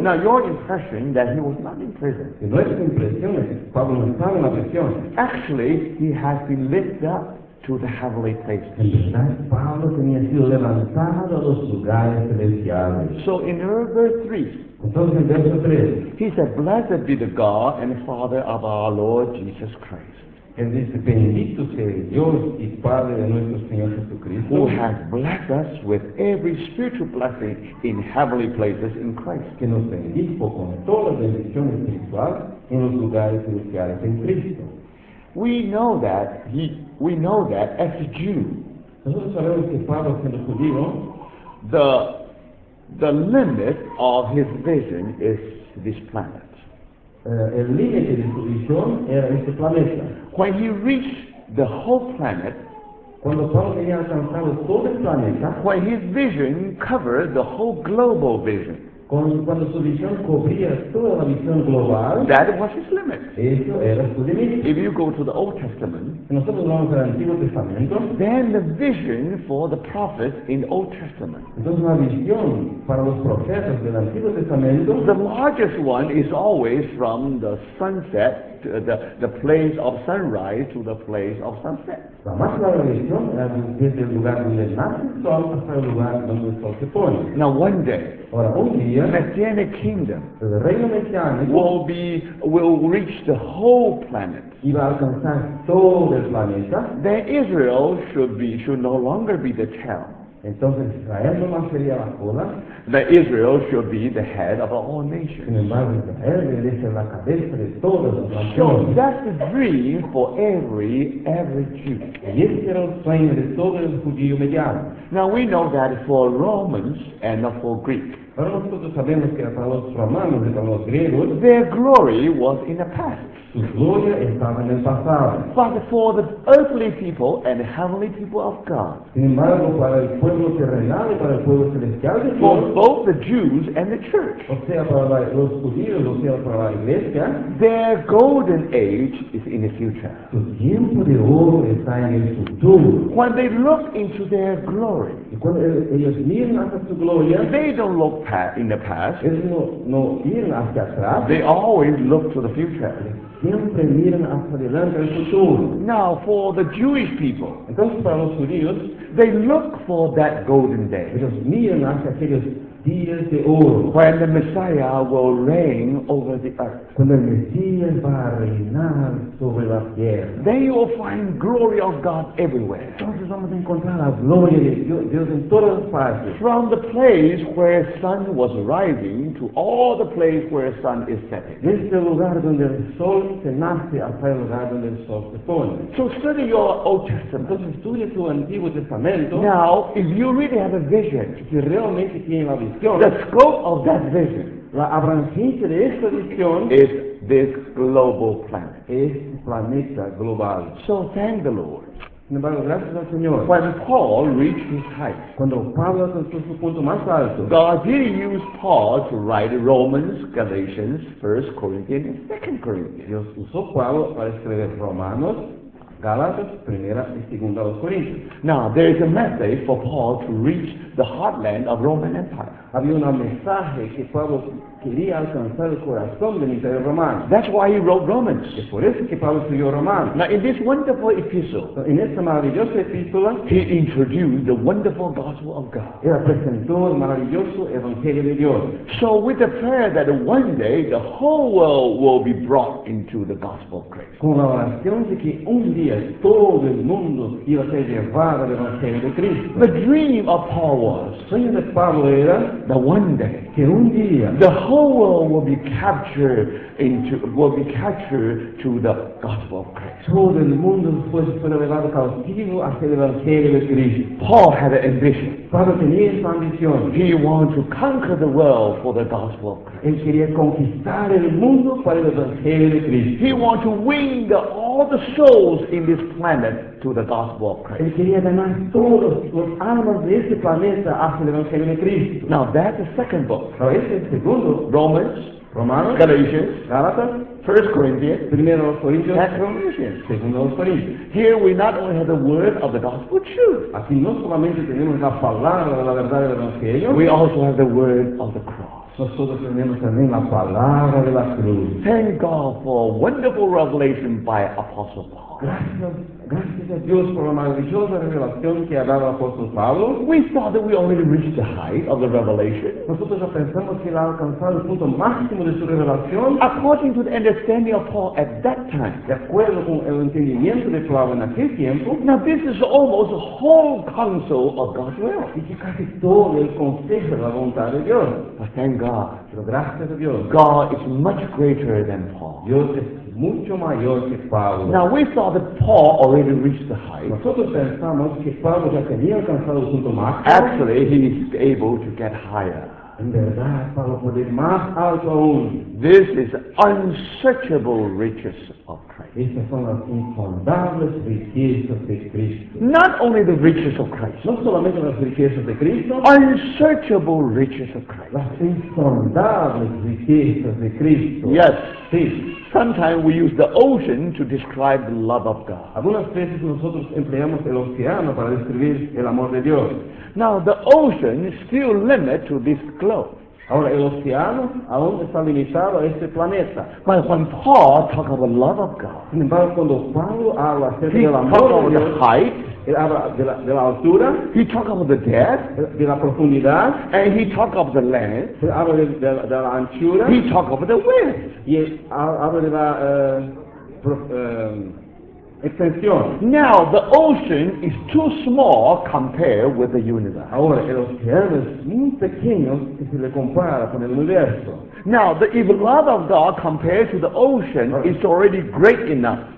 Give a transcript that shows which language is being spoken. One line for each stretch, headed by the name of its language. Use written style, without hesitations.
English: Now, your impression that he was not in prison.
Spanish: Y nuestra impresión es que Pablo no estaba en la prisión.
English: Actually, he has been lifted up to the heavenly places.
Spanish: En verdad, Pablo tenía sido levantado a los lugares celestiales.
English: So, in verse 3, he said, blessed be the God and Father of our Lord Jesus Christ.
Spanish: Él dice, bendito sea Dios y Padre de nuestro Señor Jesucristo.
English: Who has blessed us with every spiritual blessing in heavenly places in Christ.
Spanish: Que nos bendijo con todas las bendiciones espirituales en los lugares celestiales en Cristo.
English: We know that as a Jew,
Spanish: nosotros sabemos que Pablo siendo judío,
English: the limit of his vision is this planet.
Spanish: El límite de su visión era este planeta.
English: When he reached the whole planet,
Spanish: cuando Pablo tenía alcanzado todo el planeta,
English: when his vision covered the whole global vision,
Spanish: cuando su visión cubría toda la visión global,
English: that was his limit.
Spanish: Eso era su límite.
English: If you go to the Old Testament,
Spanish: nosotros vamos al Antiguo Testamento,
English: then the vision for the prophets in the Old Testament.
Spanish: Entonces la visión para los profetas del Antiguo Testamento,
English: the largest one is always from the sunset, the place of sunrise to the place of sunset.
Spanish: La más larga visión era desde el lugar donde nace el sol hasta el lugar donde el sol se pone.
English: Now one day,
Spanish: ahora un día,
English: the Messianic kingdom,
Spanish: el reino mesiánico,
English: will reach the whole planet.
Spanish: Iba a alcanzar todo el planeta.
English: Then Israel should no longer be the tail.
Spanish: Entonces Israel no más sería la cola.
English: That Israel should be the head of all nations.
Spanish: Sin embargo, Israel debe ser la cabeza de todas las naciones.
English: So that's the dream for every Jew.
Spanish: Y ese era el sueño de todo el judío mediano.
English: Now we know that for Romans and not for Greeks.
Spanish: Ahora nosotros sabemos que para los romanos y para los griegos,
English: their glory was in the past.
Spanish: Su gloria estaba en el pasado.
English: But for the earthly people and heavenly people of God,
Spanish: sin embargo, para el pueblo terrenal y para el pueblo celestial,
English: for both the Jews and the church,
Spanish: o sea, para los judíos, o sea, para la iglesia,
English: their golden age is in the future.
Spanish: Su tiempo de oro está en el futuro.
English: When they look into their glory,
Spanish: y cuando ellos miran hacia su gloria,
English: they don't look in the past.
Spanish: Ellos no miran hacia atrás.
English: They always look to the future.
Spanish: Siempre miran hacia adelante al futuro.
English: Now, for the Jewish people,
Spanish: entonces para los judíos,
English: They look for that golden day.
Spanish: Ellos miran hacia aquellos días de oro.
English: When the Messiah will reign over the earth.
Spanish: Cuando el Mesías va a reinar sobre la tierra.
English: They will find glory of God everywhere.
Spanish: Entonces vamos a encontrar la gloria de Dios en todas las partes.
English: From the place where the sun was rising to all the place where the sun is setting.
Spanish: Desde el lugar donde el sol se nace hasta el lugar donde el sol se pone.
English: So study your Old Testament.
Spanish: Entonces estudia tu Antiguo Testamento.
English: Now, if you really have a vision,
Spanish: si realmente tienes la visión,
English: the scope of that vision,
Spanish: la abrangencia de esta visión,
English: is this global planet.
Spanish: Es planeta global.
English: So thank the Lord.
Spanish: Sin embargo, gracias al Señor.
English: When Paul reached his height,
Spanish: cuando Pablo alcanzó su punto más alto,
English: God didn't use Paul to write Romans, Galatians, 1 Corinthians, and 2 Corinthians.
Spanish: Dios usó Pablo para escribir Romanos, Galatas, primera y segunda los Corintios.
English: Now there is a message for Paul to reach the heartland of Roman Empire.
Spanish: Había un mensaje que Pablo quería alcanzar el corazón del Imperio Romano.
English: That's why he wrote Romans.
Spanish: Es por eso que Pablo escribió Romanos.
English: Now in this wonderful epistle,
Spanish: en esta maravillosa epístola,
English: he introduced the wonderful gospel of God.
Spanish: Él presentó el maravilloso evangelio de Dios.
English: So with the prayer that one day the whole world will be brought into the gospel of Christ.
Spanish: Con la oración de que un día todo el mundo iba a ser llevado al evangelio de Cristo.
English: The dream of Paul was,
Spanish: sueño de Pablo era,
English: the one day,
Spanish: que un día,
English: the whole world will be captured into, will be captured to the gospel of Christ.
Spanish: Todo el mundo fue llevado cautivo hacia el evangelio de Cristo.
English: Paul had an ambition.
Spanish: Pablo tenía esa ambición.
English: He wanted to conquer the world for the gospel of Christ.
Spanish: Él quería conquistar el mundo para el evangelio de Cristo.
English: He wanted to win all the souls in this planet to the gospel of Christ.
Spanish: Él quería ganar todos los almas de este planeta hacia el evangelio de Cristo.
English: Now that's the second book.
Spanish: Ahora ese es el segundo.
English: Romans.
Spanish: Romanos,
English: Galatians,
Spanish: Galatas,
English: 1 Corinthians,
Spanish: primero los Corintios,
English: and Galatians,
Spanish: segundo los Corintios.
English: Here we not only have the word of the gospel truth.
Spanish: Aquí no solamente tenemos la palabra de la verdad del evangelio.
English: We also have the word of the cross.
Spanish: Nosotros tenemos también la palabra de la cruz.
English: Thank God for a wonderful revelation by Apostle Paul.
Spanish: Gracias a Dios por la maravillosa revelación que ha dado el apóstol Pablo.
English: We thought that we already reached the height of the revelation.
Spanish: Nosotros ya pensamos que él ha alcanzado el punto máximo de su revelación.
English: According to the understanding of Paul at that time.
Spanish: De acuerdo con el entendimiento de Pablo en aquel tiempo.
English: Now this is almost the whole counsel of God's will.
Spanish: Y que casi todo el consejo de la voluntad de Dios.
English: But thank God.
Spanish: Pero gracias a Dios.
English: God is much greater than Paul.
Spanish: Dios es mucho mayor que Pablo.
English: Now we saw that Paul already reached the height.
Spanish: Nosotros pensamos que Pablo ya tenía alcanzado el punto máximo.
English: Actually, he is able to get higher.
Spanish: En verdad, Pablo puede ir más alto aún.
English: This is unsearchable riches of Christ.
Spanish: Estas son las incontables riquezas de Cristo.
English: Not only the riches of Christ.
Spanish: No solamente las riquezas de Cristo.
English: Unsearchable riches of Christ.
Spanish: Las incontables riquezas de Cristo.
English: Yes.
Spanish: Sí.
English: Sometimes we use the ocean to describe the love of God.
Spanish: Algunas veces nosotros empleamos el océano para describir el amor de Dios.
English: Now the ocean is still limited to this globe.
Spanish: Ahora el océano aún está limitado a este planeta.
English: But when Paul talks about the love of God,
Spanish: sin embargo cuando Pablo habla acerca del amor de Dios,
English: the height,
Spanish: él habla de la altura,
English: he talks about the depth,
Spanish: de la profundidad,
English: and he talks about the length,
Spanish: él habla de la anchura,
English: he talks about the width,
Spanish: y él habla de la extensión.
English: Now the ocean is too small compared with the universe.
Spanish: Ahora el océano es muy pequeño si se le compara con el universo.
English: Now the if love of God compared to the ocean is already great enough.